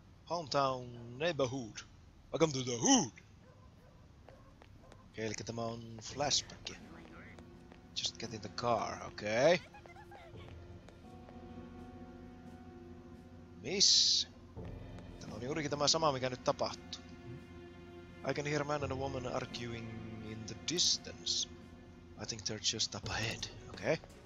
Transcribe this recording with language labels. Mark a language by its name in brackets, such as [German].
[English] Hometown neighborhood. Welcome to the hood! [Finnish] Okei, elikkä tämä on flashback. [English] Just get in the car, [Finnish] okei. Miss? Tämä on juurikin tämä sama, mikä nyt tapahtuu. [English] I can hear a man and a woman arguing in the distance. I think they're just up ahead, okay?